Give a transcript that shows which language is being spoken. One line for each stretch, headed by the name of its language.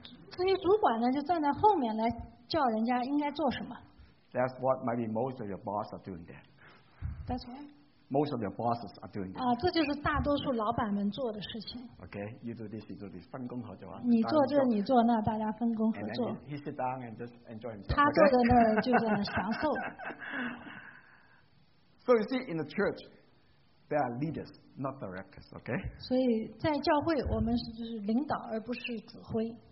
Chinese: 这些主管呢就站在后面来叫人家应该做什么。
English: That's what maybe most of your bosses are doing there. That's what? Most of your bosses are doing that.
Chinese: 这就是大多数老板们做的事情。
English: Okay, you do this, you do this.
Chinese: 分工合作。你做这，你做那，大家分工合作。
English: And then he sit down and just enjoy himself.
Chinese: 他坐在那儿就在那享受。
English: So you see, in the church, there are leaders, not directors, okay?
Chinese: 所以在教会，我们是领导，而不是指挥。